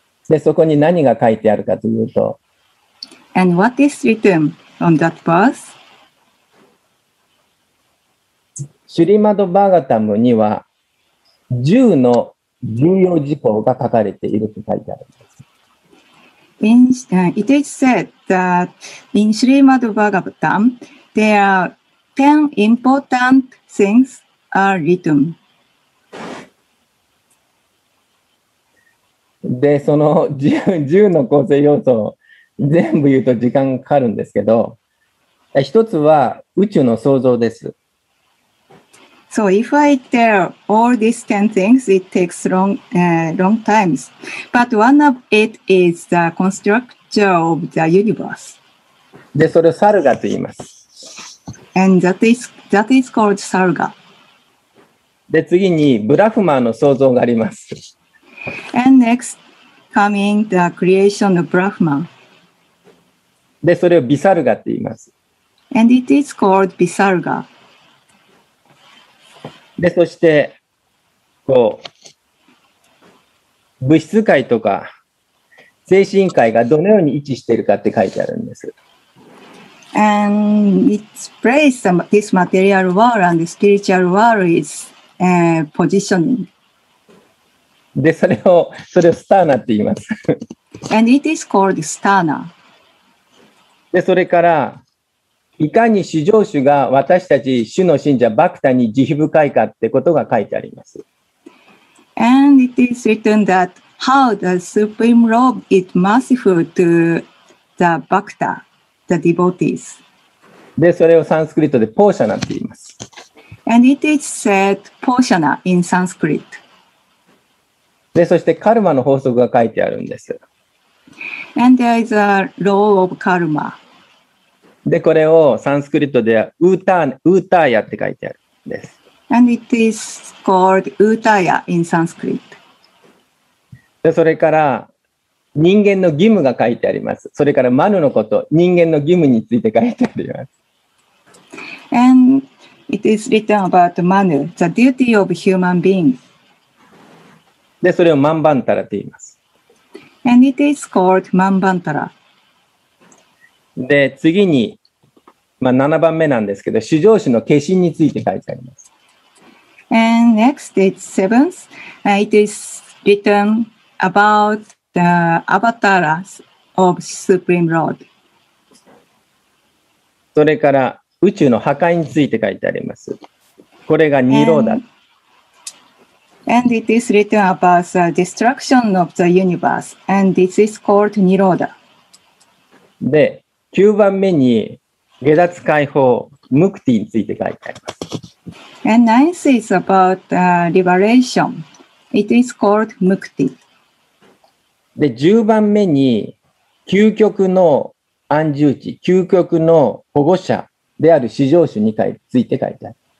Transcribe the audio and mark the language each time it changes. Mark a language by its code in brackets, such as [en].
[ja] で、そこに何が書いてあるかというと。 [en] And what is written on that verse? [ja] シュリマド・バーガタムには、10の重要事項が書かれていると書いてあるんです。 [en] In, it is said that in Srimad Bhagavatam, there are 10 important things are written. [ja] で、その 10の構成要素を全部言うと時間がかかるんですけど、一つは宇宙の創造です。 [en] So if I tell all these 10 things, it takes long times. But one of it is the structure of the universe. [ja] で、それをサルガと言います。 [en] And that is called Sarga. [ja] で、次にブラフマーの創造があります。 [en] And next coming the creation of Brahma. [ja] で、それをビサルガと言います。 [en] And it is called Visarga. [ja] で、そして、こう、物質界とか精神界がどのように位置しているかって書いてあるんです。 [en] And its place, this material world and spiritual world is positioning. [ja] で、それをスターナって言います。 [en] And it is called スターナ。 [ja] で、それから、いかに修行主が私たち主の信者バクタに慈悲深いかってことが書いてあります。 [en] And it is written that how the supreme lord is merciful to the bhakta, the devotees. [ja] で、それをサンスクリットでポーシャナって言います。 [en] And it is said ポーシャナ in Sanskrit. [ja] で、そしてカルマの法則が書いてあるんです。 [en] And there is a law of karma. [ja] で、これをサンスクリットではウータヤって書いてあるんです。 [en] And it is called Utaya in Sanskrit. [ja] で、それから人間の義務が書いてあります。それからマヌのこと、人間の義務について書いてあります。 [en] And it is written about Manu, the duty of human beings. [ja] で、それをマンバンタラと言います。 [en] And it is called マンバンタラ。 [ja] で、次に、まあ、7番目なんですけど、修行主の化身について書いてあります。 [en] And next, it's seventh. It is written about the avatars of Supreme Lord. [ja] それから、宇宙の破壊について書いてあります。これがニローダ。 [en] And it is written about the destruction of the universe. And this is called ニローダ。 [ja] で、9番目に、下脱解放、ムクティについて書いてあります。 [en] And ninth is about liberation. It is called ムクティ。 [ja] で、10番目に、究極の安住地、究極の保護者である至上主について書いてあります